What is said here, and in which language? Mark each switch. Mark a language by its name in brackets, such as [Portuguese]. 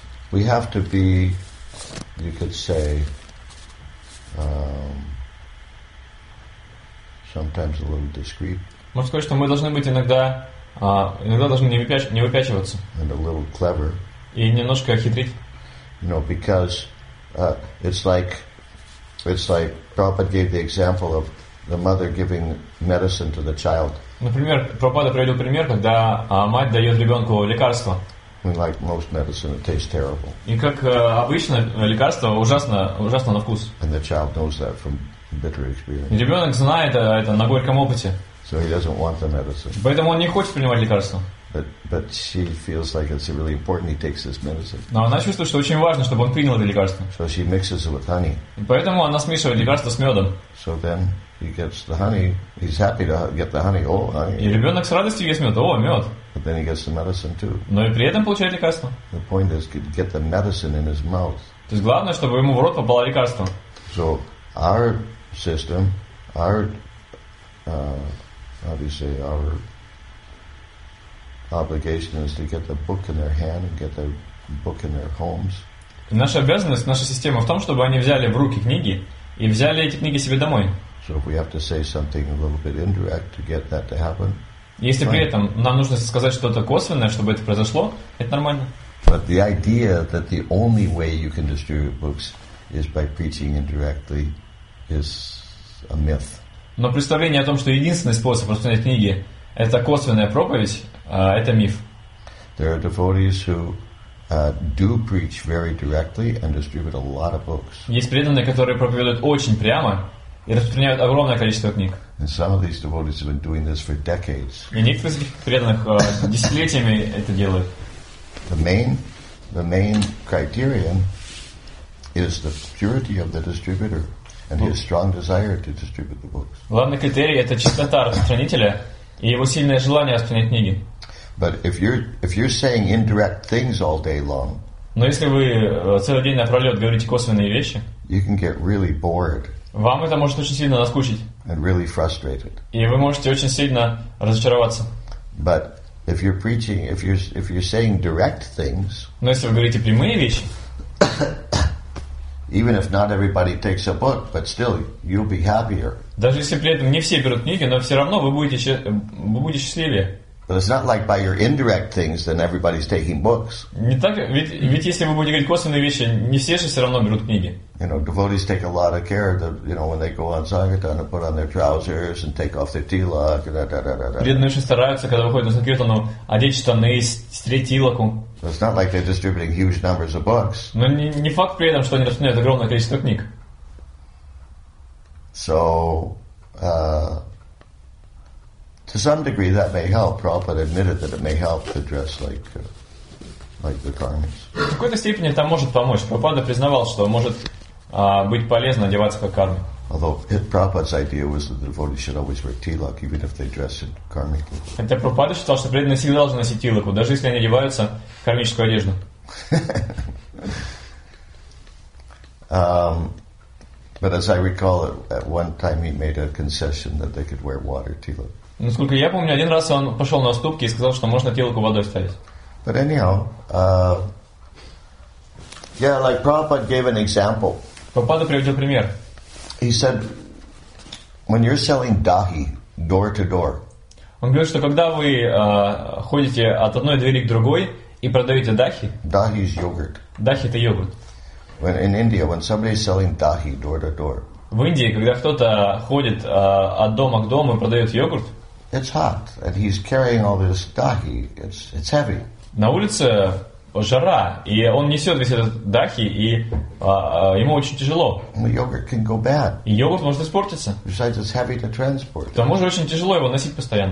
[English] We have to be, you could say, sometimes a little discreet. [Russian] Можно сказать, что мы должны быть иногда должны не выпячиваться. [English] And a little clever. [Russian] И немножко хитрить. [English] Because it's like Prabhupada gave the example of the mother giving medicine to the child. [Russian] Например, Прабхупада приводил пример, когда мать дает ребенку лекарство. [English] Like most medicine, it tastes terrible. [Russian] И как обычно, лекарство ужасно на вкус. [English] And the child knows that from bitter experience. [Russian] И ребенок знает это на горьком опыте. [English] So he doesn't want the medicine. [Russian] Поэтому он не хочет принимать лекарства. [English] But she feels like it's really important he takes this medicine. [Russian] Но она чувствует, что очень важно, чтобы он принял это лекарство. [English] So she mixes it with honey. [Russian] Поэтому она смешивает лекарство с медом. [English] So then he gets the honey. He's happy to get the honey. Oh, honey. [Russian] И ребенок с радостью ест мед. О, мед. [English] But then he gets the medicine too. [Russian] Но и при этом получает лекарство. [English] The point is to get the medicine in his mouth. [Russian] То есть главное, чтобы ему в рот попало лекарство. [English] So our system, our how do you say, our obligation is to get the book in their hand and get the book in their homes. [Russian] Наша обязанность, наша система в том, чтобы они взяли в руки книги и взяли эти книги себе домой. [English] So if we have to say something a little bit indirect to get that to happen. [Russian] Если при этом нам нужно сказать что-то косвенное, чтобы это произошло, это нормально. [English] But the idea that the only way you can distribute books is by preaching indirectly is a myth. [Russian] Но представление о том, что единственный способ распространять книги — это косвенная проповедь, это миф. [English] There are devotees who do preach very directly and distribute a lot of books. [Russian] Есть преданные, которые проповедуют очень прямо и распространяют огромное количество книг. [English] And some of these devotees have been doing this for decades. [Russian] И некоторые из этих преданных десятилетиями это делают. [English] The main criterion is the purity of the distributor and his strong desire to distribute the books. [Russian] Главный критерий — это чистота распространителя и его сильное желание распространять книги. [English] But if you're saying indirect things all day long, [Russian] но если вы целый день напролет говорите косвенные вещи, [English] you can get really bored. [Russian] Вам это может очень сильно наскучить. [English] And really frustrated. [Russian] И вы можете очень сильно разочароваться. [English] But if you're preaching, if you're saying direct things, [Russian] но если вы говорите прямые вещи, [English] even if not everybody takes a book, but still you'll be happier. [Russian] Даже если при этом не все берут книги, но все равно вы будете счастливее. [English] But it's not like by your indirect things, then everybody's taking books. [Russian] Не так, ведь если вы будете говорить косвенные вещи, не все же все равно берут книги. [English] You know, devotees take a lot of care that, you know, when they go on sankirtan, put on their trousers and take off their tilak. [Russian] Преданные очень стараются, когда выходят на санкиртану, одеть штаны и стереть тилаку. [English] So it's not like they're distributing huge numbers of books. [Russian] Но не факт при этом, что они распространяют огромное количество книг. [English] So, to some degree, that may help. Prabhupada admitted that it may help to dress like the karmis. [Russian] В какой-то степени это может помочь. Прабхупада признавал, что может быть полезно одеваться как карми. [English] Although Prabhupada's idea was that the devotees should always wear tilak, even if they dress in karmic clothes. [Russian] Хотя Прабхупада считал, что преданные всегда должны носить тилаку, даже если они одеваются в кармическую одежду. [English] But as I recall, at one time he made a concession that they could wear water tilak. [Russian] Насколько я помню, один раз он пошел на уступки и сказал, что можно тилаку водой ставить. [English] But anyhow, like Prabhupada gave an example. [Russian] Прабхупада приводил пример. [English] He said, when you're selling dahi door to door. [Russian] Он говорит, что когда вы ходите от одной двери к другой и продаете дахи. [English] Dahi is yogurt. [Russian] Дахи — это йогурт. [English] When in India, when somebody is selling dahi door to door. [Russian] В Индии, когда кто-то ходит от дома к дому и продает йогурт. [English] It's hot, and he's carrying all this dahi. It's heavy. [Russian] На улице жара, и он несет весь этот дахи, и ему очень тяжело. [English] The yogurt can go bad. [Russian] И йогурт может испортиться. [English] Besides, it's heavy to transport. [Russian] К тому же очень тяжело его носить постоянно.